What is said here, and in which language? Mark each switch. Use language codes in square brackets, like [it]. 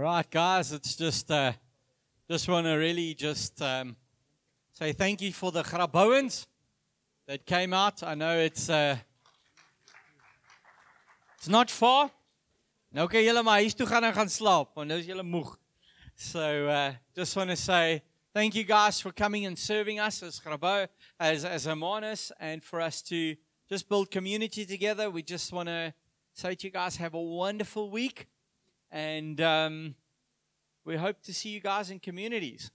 [en] Guys, it's just want to really just say thank you for the Grabowens that came out. I know it's not far. [af] Nou kan julle maar huis toe gaan en gaan slaap, want nou is julle moeg. [en] So just want to say thank you guys for coming and serving us as Grabow, as Hermanus, and for us to just build community together. We just want to say to you guys, have a wonderful week, and we hope to see you guys in communities.